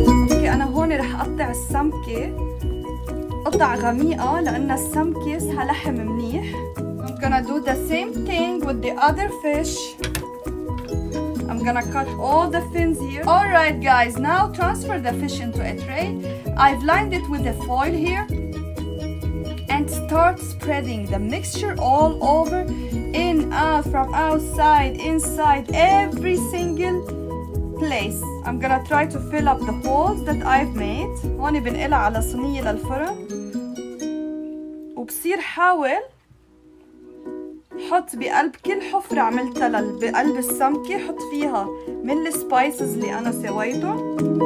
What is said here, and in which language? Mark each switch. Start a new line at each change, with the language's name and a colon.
Arabic: اوكي انا هون رح اقطع السمكة قطع غميقة لان السمكة اسها لحم منيح.
English: I'm gonna do the same thing with the other fish. I'm gonna cut all the fins here. All right, guys, now transfer the fish into a tray. I've lined it with the foil here and start spreading the mixture all over, in, out, from outside, inside, every single place. I'm gonna try to fill up the holes that I've made.
Arabic: هون بنقلها على صينية للفرن وبصير حاول حط بقلب كل حفرة عملتها بقلب السمكة حط فيها من السبايسز اللي أنا سويته.